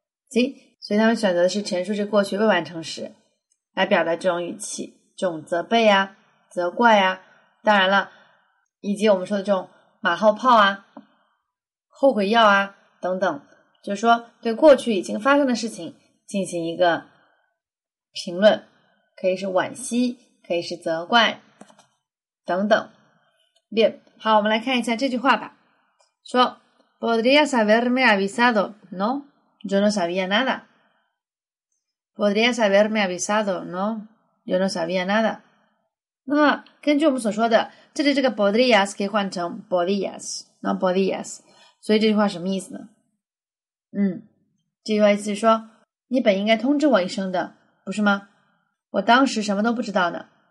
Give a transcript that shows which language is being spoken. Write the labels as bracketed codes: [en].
[zh] 行，所以他们选择的是陈述式过去未完成时来表达这种语气，这种责备啊、责怪啊，当然了，以及我们说的这种马后炮啊、后悔药啊等等，就是说对过去已经发生的事情进行一个评论，可以是惋惜，可以是责怪等等。 Bien, 好，我们来看一下这句话吧。 [es] 说 ，Podrías haberme avisado, ¿no? Yo no sabía nada. Podrías haberme avisado, ¿no? Yo no sabía nada. [zh] 那么根据我们所说的，这里这个 podrías 可以换成 [es] podías, ¿no? Podías. [zh] 所以这句话什么意思呢？这句话意思是说，你本应该通知我一声的，不是吗？我当时什么都不知道呢。